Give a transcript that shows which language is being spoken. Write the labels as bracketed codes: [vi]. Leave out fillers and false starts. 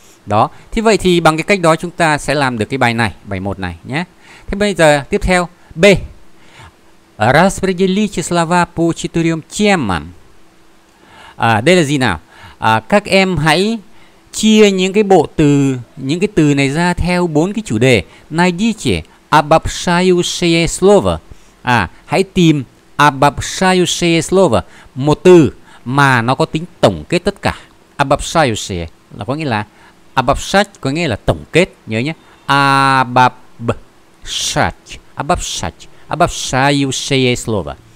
[vi] Đó, thế vậy thì bằng cái cách đó chúng ta sẽ làm được cái bài này, bài 1 này nhé. Thế bây giờ tiếp theo B. [ru] Распределите слова по четырем темам. [vi] Đây là gì nào? Các em hãy chia những cái bộ từ, những cái từ này ra theo bốn cái chủ đề. [ru] Найдите обобщающее слово. [vi] Hãy tìm [ru] обобщающее слово, [vi] một từ mà nó có tính tổng kết tất cả. Обобщающее là có nghĩa là обобщать, có nghĩa là tổng kết, nhớ nhé. [ru] Обобщать. Обобщающее слово.